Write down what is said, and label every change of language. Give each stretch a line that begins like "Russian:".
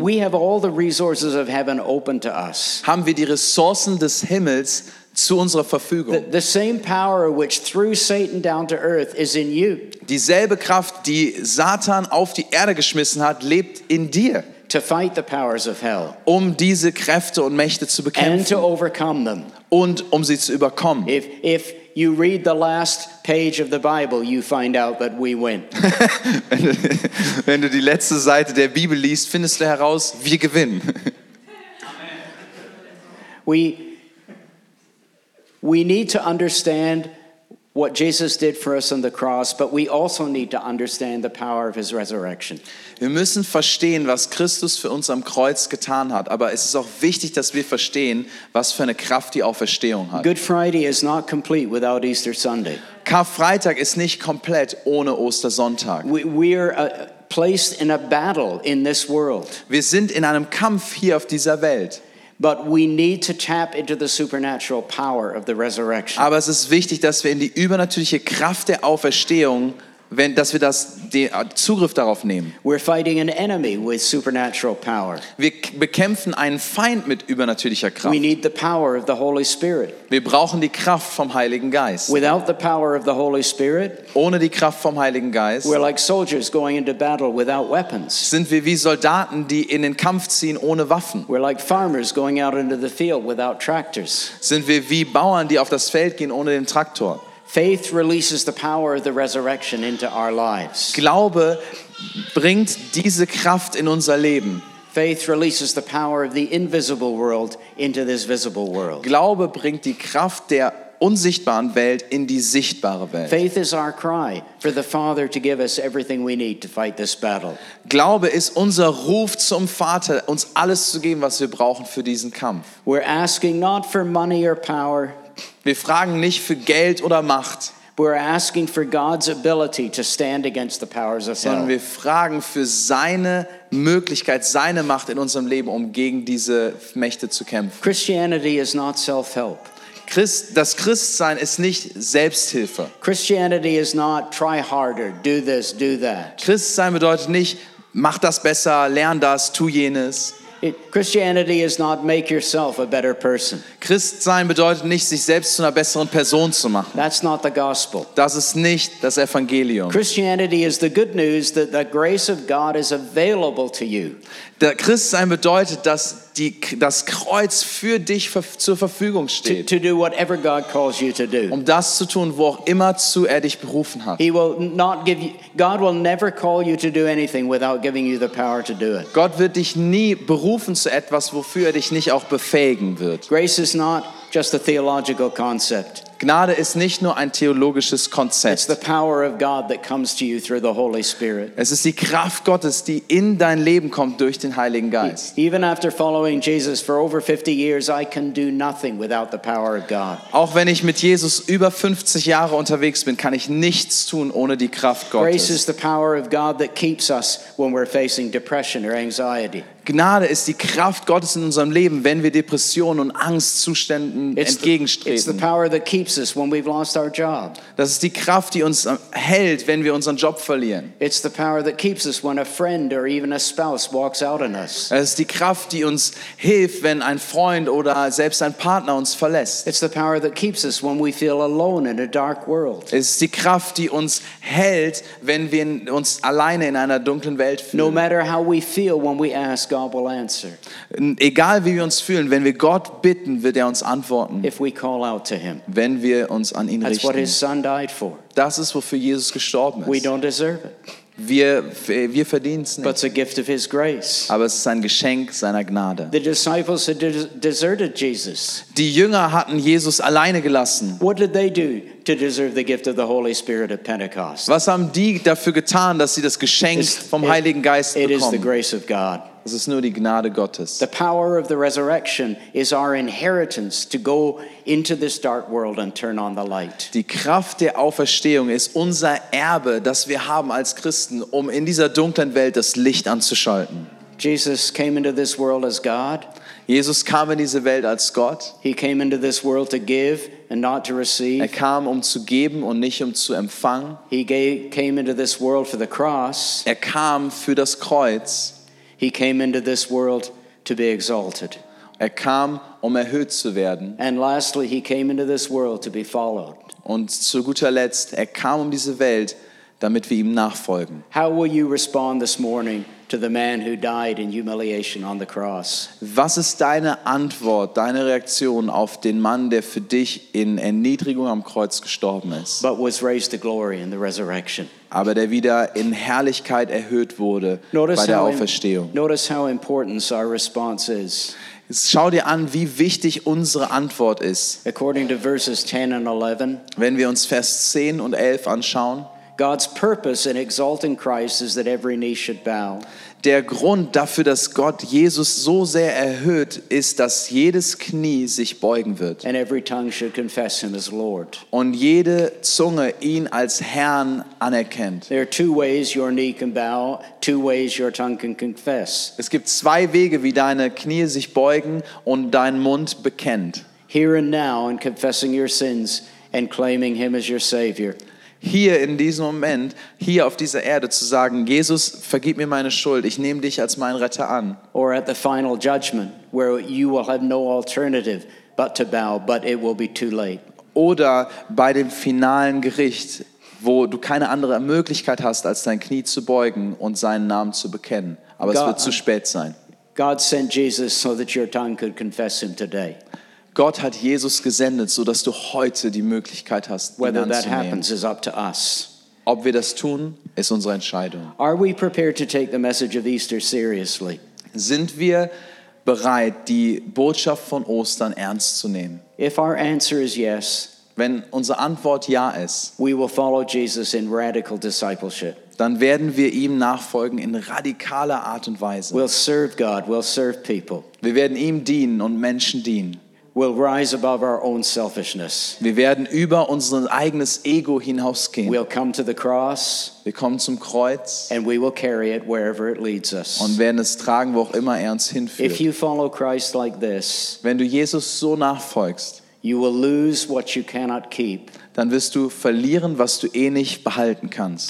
English: we have all the resources of heaven open to us.
German: Haben wir die Ressourcen des Himmels zu unserer Verfügung.
English: The same power which threw Satan down to earth is in you.
German: Dieselbe Kraft, die Satan auf die Erde geschmissen hat, lebt in dir.
English: To fight the powers of hell.
German: Um diese Kräfte und Mächte zu bekämpfen.
English: And to overcome them.
German: Und um sie zu überkommen.
English: If you read the last page of the Bible, you find out that we win.
German: Wenn du die letzte Seite der Bibel liest, findest du heraus, wir gewinnen.
English: We need to understand what Jesus did for us on the cross, but we also need to understand the power of his resurrection.
German: Wir müssen verstehen, was Christus für uns am Kreuz getan hat, aber es ist auch wichtig, dass wir verstehen, was für eine Kraft die Auferstehung hat.
English: Good Friday is not complete without Easter Sunday.
German: Karfreitag ist nicht komplett ohne Ostersonntag.
English: We are placed in a battle in this world.
German: Wir sind in einem Kampf hier auf dieser Welt.
English: But we need to tap into the supernatural power of the resurrection.
German: Aber es ist wichtig, dass wir in die übernatürliche Kraft der Auferstehung, wenn dass wir das den Zugriff darauf nehmen.
English: We're fighting an enemy with supernatural power.
German: Wir bekämpfen einen Feind mit übernatürlicher Kraft.
English: We need the power of the Holy Spirit.
German: Wir brauchen die Kraft vom Heiligen Geist.
English: Without the power of the Holy Spirit,
German: ohne die Kraft vom Heiligen Geist,
English: we're like soldiers going into battle without weapons.
German: Sind wir wie Soldaten, die in den Kampf ziehen ohne Waffen.
English: We're like farmers going out into the field without tractors.
German: Sind wir wie Bauern, die auf das Feld gehen ohne den Traktor.
English: Faith releases the power of the resurrection into our lives.
German: Glaube bringt diese Kraft in unser Leben.
English: Faith releases the power of the invisible world into this visible world.
German: Glaube bringt die Kraft der unsichtbaren Welt in die sichtbare Welt.
English: Faith is our cry for the Father to give us everything we need to fight this battle.
German: Glaube ist unser Ruf zum Vater, uns alles zu geben, was wir brauchen für diesen Kampf.
English: We're asking not for money or power.
German: Wir fragen nicht für Geld oder Macht.
English: We're asking for God's ability to stand against the powers of hell.
German: Sondern wir fragen für seine Möglichkeit, seine Macht in unserem Leben, um gegen diese Mächte zu kämpfen.
English: Christianity is not self-help.
German: Das Christsein ist nicht Selbsthilfe.
English: Christianity is not try harder, do this, do that.
German: Christsein bedeutet nicht, mach das besser, lern das, tu jenes.
English: Christianity is not make yourself a better person.
German: Christsein bedeutet nicht, sich selbst zu einer besseren Person zu machen.
English: That's not the gospel.
German: Das ist nicht das Evangelium.
English: Christianity is the good news that the grace of God is available to you.
German: Der Christsein bedeutet, dass das Kreuz für dich zur Verfügung steht.
English: To do whatever God calls you to do.
German: Um das zu tun, wo auch immer zu er dich berufen hat.
English: He will not give you, God will never call you to do anything without giving you the power to do it.
German: Gott wird dich nie berufen zu etwas, wofür er dich nicht auch befähigen wird.
English: Grace is not just a theological concept.
German: Gnade ist nicht nur ein theologisches Konzept.
English: It's the power of God that comes to you through the Holy Spirit.
German: Es ist die Kraft Gottes, die in dein Leben kommt durch den Heiligen Geist.
English: Even after following Jesus for over 50 years, I can do nothing without the power of God.
German: Auch wenn ich mit Jesus über 50 Jahre unterwegs bin, kann ich nichts tun ohne die Kraft Gottes.
English: Grace is the power of God that keeps us when we're facing depression or anxiety.
German: Gnade ist die Kraft Gottes in unserem Leben, wenn wir Depressionen und Angstzuständen entgegenstreben.
English: It's the power that keeps us when we've lost our job.
German: Das ist die Kraft, die uns hält, wenn wir unseren Job verlieren.
English: It's the power that keeps us when a friend or even a spouse walks out on us.
German: Es ist die Kraft, die uns hilft, wenn ein Freund oder selbst ein Partner uns verlässt.
English: It's the power that keeps us when we feel alone in a dark world.
German: Es ist die Kraft, die uns hält, wenn wir uns alleine in einer dunklen Welt fühlen.
English: No matter how we feel when we ask, God will answer.
German: Egal wie wir uns fühlen, wenn wir Gott bitten, wird er uns antworten.
English: If we call out to him.
German: Wenn wir uns an ihn
English: That's
German: richten.
English: What his son died for.
German: Das ist, wofür Jesus gestorben ist.
English: We don't deserve it.
German: Wir verdienen es nicht.
English: But it's a gift of his grace.
German: Aber es ist ein Geschenk seiner Gnade.
English: The disciples had deserted Jesus.
German: Die Jünger hatten Jesus alleine gelassen.
English: What did they do to deserve the gift of the Holy Spirit at Pentecost?
German: Was haben die dafür getan, dass sie das Geschenk vom Heiligen Geist bekommen?
English: It is the grace of God.
German: Es ist nur die Gnade Gottes.
English: The power of the resurrection is our inheritance to go into this dark world and turn on the light.
German: Die Kraft der Auferstehung ist unser Erbe, das wir haben als Christen, um in dieser dunklen Welt das Licht anzuschalten.
English: Jesus came into this world as God.
German: Jesus kam in diese Welt als Gott.
English: He came into this world to give and not to receive.
German: Er kam um zu geben und nicht um zu empfangen.
English: He came into this world for the cross.
German: Er kam für das Kreuz.
English: He came into this world to be exalted.
German: Er kam, um erhöht zu werden.
English: And lastly, he came into this world to be followed.
German: Und zu guter Letzt, er kam um diese Welt, damit wir ihm nachfolgen.
English: How will you respond this morning to the man who died in humiliation on the cross?
German: Was ist deine Antwort, deine Reaktion auf den Mann, der für dich in Erniedrigung am Kreuz gestorben ist?
English: But was raised to glory in the resurrection.
German: Aber der wieder in Herrlichkeit erhöht wurde
English: notice
German: bei der Auferstehung.
English: Notice how important our response is.
German: Schau dir an, wie wichtig unsere Antwort ist.
English: According to verses 10 and 11,
German: wenn wir uns Vers 10 und 11 anschauen,
English: God's purpose in exalting Christ is that every knee should bow.
German: Der Grund dafür, dass Gott Jesus so sehr erhöht, ist, dass jedes Knie sich beugen wird.
English: And every tongue should confess him as Lord.
German: Und jede Zunge ihn als Herrn anerkennt.
English: There are two ways your knee can bow, two ways your tongue can confess.
German: Es gibt zwei Wege, wie deine Knie sich beugen und dein Mund bekennt.
English: Here and now in confessing your sins and claiming him as your savior.
German: Hier in diesem Moment, hier auf dieser Erde zu sagen, Jesus, vergib mir meine Schuld, ich nehme dich als meinen Retter an.
English: Or at the final judgment, where you will have no alternative but to bow, but it will be too late.
German: Oder bei dem finalen Gericht, wo du keine andere Möglichkeit hast, als dein Knie zu beugen und seinen Namen zu bekennen. Aber es wird zu spät sein.
English: God sent Jesus so that your tongue could confess him today.
German: Gott hat Jesus gesendet, so dass du heute die Möglichkeit hast, ihn anzunehmen.
English: Whether that happens is up to us.
German: Ob wir das tun, ist unsere Entscheidung.
English: Are we prepared to take the message of Easter seriously?
German: Sind wir bereit, die Botschaft von Ostern ernst zu nehmen?
English: If our answer is yes,
German: wenn unsere Antwort ja ist,
English: we will follow Jesus in radical discipleship.
German: Dann werden wir ihm nachfolgen in radikaler Art und Weise.
English: We'll serve God, we'll serve people.
German: Wir werden ihm dienen und Menschen dienen.
English: We'll rise above our own selfishness.
German: Wir werden über unser eigenes Ego hinausgehen.
English: We'll come to the cross.
German: Wir kommen zum Kreuz.
English: And we will carry it wherever it leads us.
German: Und werden es tragen, wo auch immer er uns hinführt.
English: If you follow Christ like this,
German: wenn du Jesus so nachfolgst,
English: you will lose what you cannot keep.
German: Dann wirst du verlieren, was du eh nicht behalten kannst.